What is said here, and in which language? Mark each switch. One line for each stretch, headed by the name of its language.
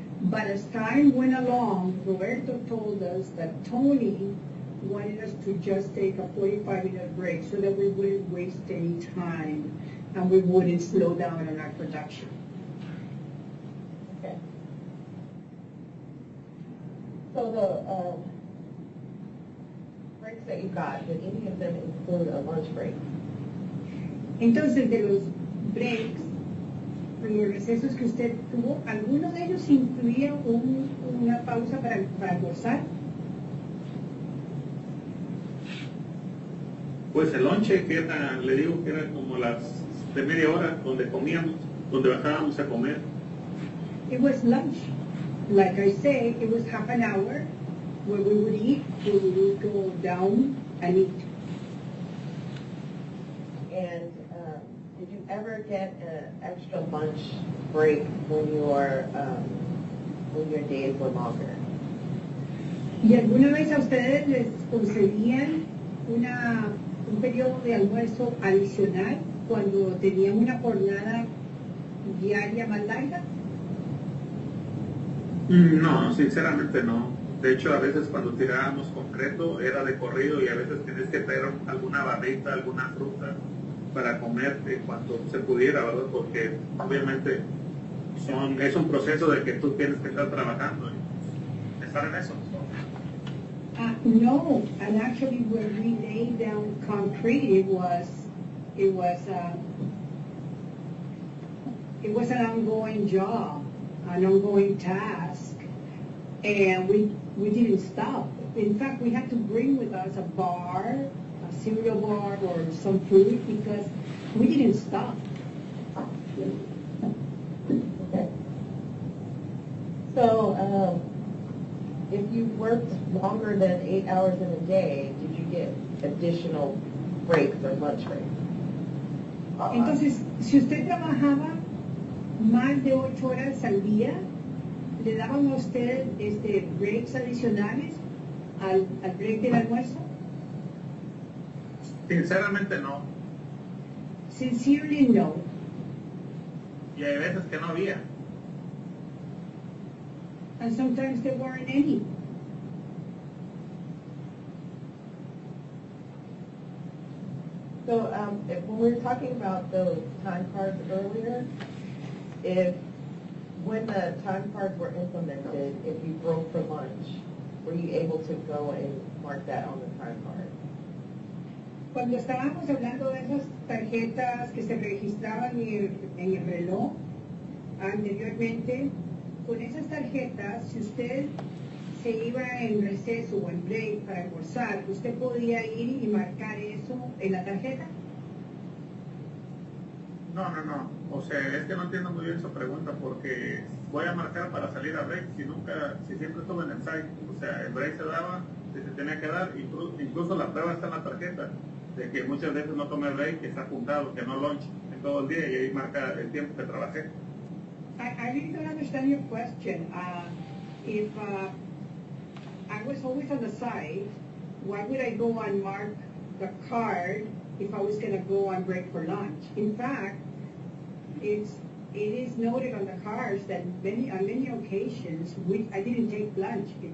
English: But as time went along, Roberto told us that Tony wanted us to just take a 45-minute break so that we wouldn't waste any time and we wouldn't slow down on our production. So the breaks that you got, did any of them include a lunch break?
Spanish: Entonces, de los breaks, los recesos que usted tuvo, ¿alguno de ellos incluía una pausa para almorzar? Pues el lonche, que era, le digo que era como las de media hora donde comíamos, donde bajábamos a comer.
English: It was lunch. Like I say, it was half an hour where we would eat, where we would go down and eat. And did you ever get an extra lunch break when your days were longer?
Spanish: ¿Y alguna vez a ustedes les concedían un periodo de almuerzo adicional cuando tenían una jornada diaria más larga? No, sinceramente no. De hecho, a veces cuando tirábamos concreto era de corrido y a veces tenías que traer alguna barrita, alguna fruta para comerte cuando se pudiera, ¿verdad? Porque obviamente es un proceso de que tú tienes que estar trabajando y estar en eso.
English: No, and actually when we laid down concrete, it was an ongoing job, an ongoing task, and we didn't stop. In fact, we had to bring with us a bar, a cereal bar or some food, because we didn't stop. So, if you worked longer than 8 hours in a day, did you get additional breaks or lunch breaks?
Spanish: Entonces, si usted trabajaba más de 8 horas al día, ¿le daban a usted breaks adicionales al break del almuerzo? Sinceramente, no.
English: Sincerely, no.
Spanish: Y hay veces que no había.
English: And sometimes there weren't any. So when we were talking about those time cards earlier, when the time cards were implemented, if you broke for lunch, were you able to go and mark that on the time card?
Spanish: Cuando estábamos hablando de esas tarjetas que se registraban en el reloj anteriormente, con esas tarjetas, si usted se iba en receso o en break para almorzar, ¿usted podía ir y marcar eso en la tarjeta? No, no, no. O sea, es que no entiendo muy bien su pregunta, porque voy a marcar para salir a break si siempre estuve en el site. O sea, el break se daba, si se tenía que dar, incluso la prueba está en la tarjeta, de que muchas veces no tomé break, que está apuntado, que no lunch en todo el día, y ahí marca el tiempo que trabajé.
English: I really don't understand your question. If I was always on the side, why would I go and mark the card if I was going to go on break for lunch? In fact, it is noted on the cards that on many occasions I didn't take lunch.